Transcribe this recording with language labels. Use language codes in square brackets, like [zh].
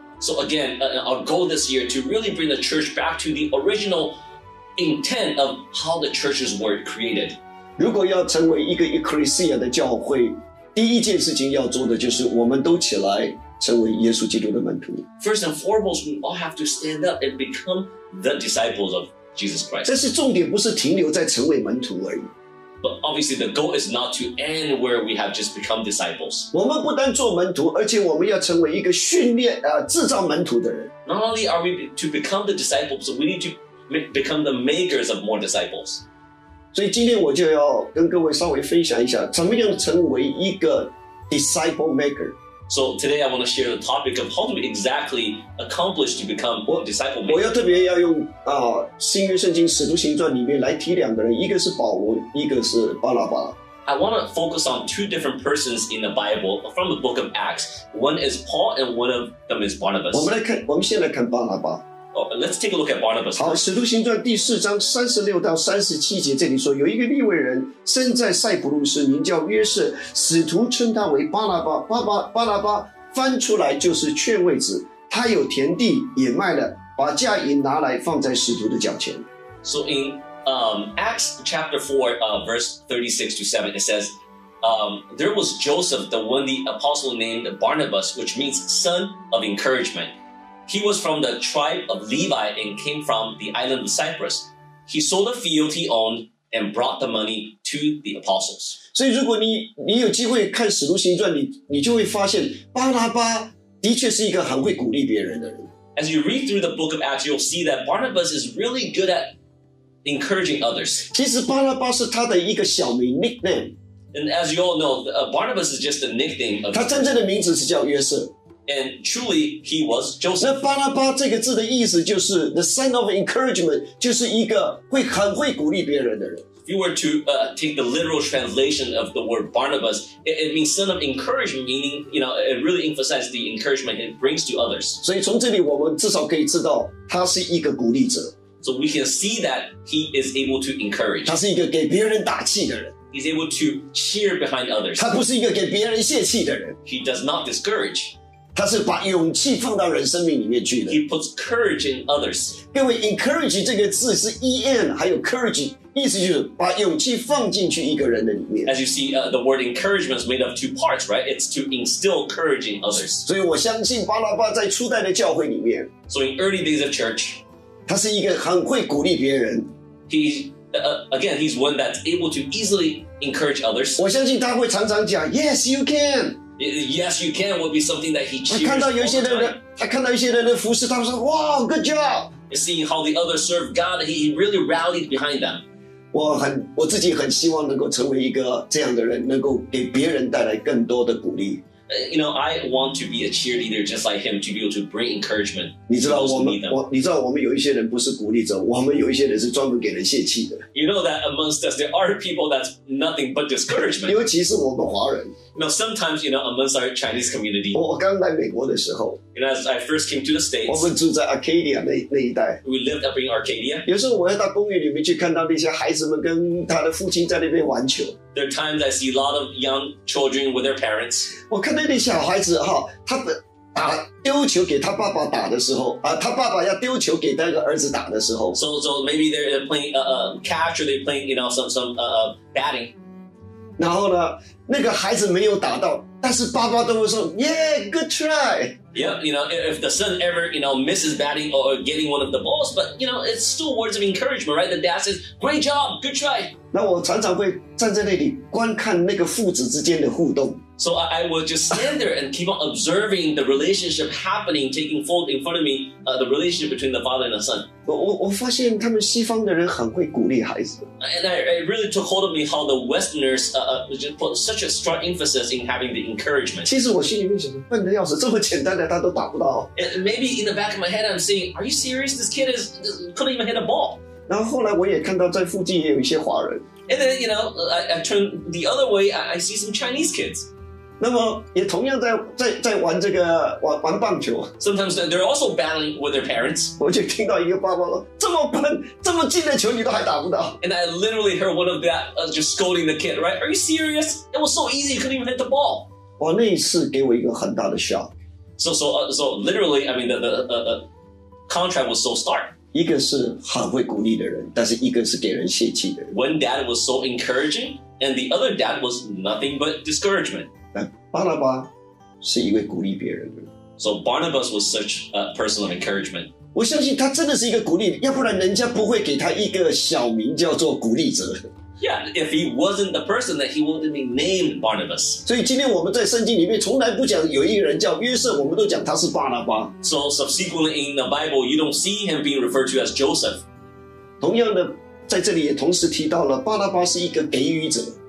[en] So again, our goal this year to really bring the church back to the original intent of how the churches were created. [zh] 如果要成为一个 Ecclesia 的教会第一件事情要做的就是我们都起来成为耶稣基督的门徒。 [en] First and foremost, we all have to stand up and become the disciples of Jesus Christ. [zh] 但是重点不是停留在成为门徒而已。 [en] But obviously, the goal is not to end where we have just become disciples. [zh] 我们不单做门徒，而且我们要成为一个训练、制造门徒的人。 [en] Not only are we to become the disciples, we need to become the makers of more disciples. [zh] 所以今天我就要跟各位稍微分享一下，怎么样成为一个 [en] disciple maker。 So today I want to share the topic of how to exactly accomplish to become a disciple. [zh] 我要特别要用、新约圣经使徒行传里面来提两个人，一个是保罗，一个是巴拿巴。 [en] I want to focus on two different persons in the Bible from the book of Acts. One is Paul and one of them is Barnabas. [zh] 我们先来看巴拿巴。 [en] Let's take a look at Barnabas. [zh] 好，使徒行传第四章36-37节这里说，有一个利未人生在塞浦路斯，名叫约瑟，使徒称他为巴拿巴。巴拿巴翻出来就是劝慰子。他有田地也卖了，把价银拿来放在使徒的脚前。 [en] So in Acts chapter 4, verse 36-37, it says, there was Joseph, the one the apostle named Barnabas, which means son of encouragement. He was from the tribe of Levi and came from the island of Cyprus. He sold the field he owned and brought the money to the apostles. [zh] 所以如果 你有机会看使徒行传 你就会发现巴拿巴的确是一个很会鼓励别人的人。 [en] As you read through the book of Acts, you'll see that Barnabas is really good at encouraging others. [zh] 其实巴拿巴是他的一个小名 nickname. [en] And as you all know, Barnabas is just a nickname. Of [zh] 他真正的名字是叫约瑟。 [en] And truly, he was Joseph. [zh] 那巴拿巴这个字的意思就是 [en] the son of encouragement, [zh] 就是一个会很会鼓励别人的人。 [en] If you were to take the literal translation of the word Barnabas, it means son of encouragement, meaning, you know, it really emphasizes the encouragement it brings to others. [zh] 所以从这里我们至少可以知道他是一个鼓励者。 [en] So we can see that he is able to encourage. [zh] 他是一个给别人打气的人。 [en] He's able to cheer behind others. [zh] 他不是一个给别人泄气的人。 [en] He does not discourage. [zh] 他是把勇气放到人生命里面去的。 [en] He puts courage in others. [zh] 各位 ，encourage 这个字是 en 还有 courage， 意思就是把勇气放进去一个人的里面。 [en] As you see,、the word encouragement is made of two parts, right? It's to instill courage in others. [zh] 所以我相信巴拿巴在初代的教会里面 [en] ，So in early days of church， [zh] 他是一个很会鼓励别人。 [en] Again, he's one that's able to easily encourage others. [zh] 我相信他会常常讲 ， [en] Yes, you can. Yes, you can will be something that he cheers. [zh] 看到有些的人，他看到一些人的服侍，他说 ， [en] Wow, good job. You see how the others serve God. He really rallied behind them. [zh] 我自己很希望能够成为一个这样的人，能够给别人带来更多的鼓励。 [en] You know, I want to be a cheerleader just like him to be able to bring encouragement. [zh] 你知道你知道我们有一些人不是鼓励者，我们有一些人是专门给人泄气的。 [en] You know that amongst us there are people that's nothing but discouragement. [zh] 尤其是我们华人。 [en] Now, sometimes, you know, amongst our Chinese community. [zh] 我刚来美国的时候。 [en] You know, as I first came to the States. [zh] 我们住在 Arcadia 那一带。 [en] We lived up in Arcadia. [zh] 有时候我要到公园里面去看到那些孩子们跟他的父亲在那边玩球。 [en] There are times I see a lot of young children with their parents. [zh] 我看到那小孩子哈，他打丢球给他爸爸打的时候，他爸爸要丢球给那个儿子打的时候。 [en] So maybe they're playing catch or they're playing, you know, some batting. [zh] 然后呢，那个孩子没有打到，但是爸爸都会说 ， [en] Yeah, good try. Yeah, you know, if the son ever, you know, misses batting or getting one of the balls, but you know, it's still words of encouragement, right? The dad says, "Great job, good try." [zh] 那我常常会站在那里观看那个父子之间的互动。 [en] So I would just stand there and keep on observing the relationship happening, taking fold in front of me, the relationship between the father and the son. [zh] 我发现他们西方的人很会鼓励孩子。 [en] And it really took hold of me how the Westerners just put such a strong emphasis in having the encouragement. [zh] 其实我心里面想，笨得要死，这么简单的他都打不到。 [en] And maybe in the back of my head, I'm saying, are you serious? This kid is couldn't even hit a ball. [zh] 然后后来我也看到在附近也有一些华人。 [en] And then, you know, I turn the other way, I see some Chinese kids. [zh] 那么也同样在玩这个玩棒球。 [en] Sometimes they're also battling with their parents. [zh] 我就听到一个爸爸说：“这么笨，这么近的球你都还打不到。 [en] ”And I literally heard one of that just scolding the kid, right? Are you serious? It was so easy, you couldn't even hit the ball. [zh] 哇，那一次给我一个很大的 shock. [en] So literally, I mean the contrast was so stark. [zh] 一个是很会鼓励的人，但是一个是给人泄气的人。 [en] One dad was so encouraging, and the other dad was nothing but discouragement. [zh] 巴拿巴是一位鼓励别人的人。 [en] So Barnabas was such a person of encouragement. [zh] 我相信他真的是一个鼓励，要不然人家不会给他一个小名叫做鼓励者。 [en] Yeah, if he wasn't the person, that he wouldn't be named Barnabas. [zh] 所以今天我们在圣经里面从来不讲有一个人叫约瑟，我们都讲他是巴拿巴。 [en] So subsequently in the Bible, you don't see him being referred to as Joseph. [zh] 同样的，在这里也同时提到了巴拿巴是一个给予者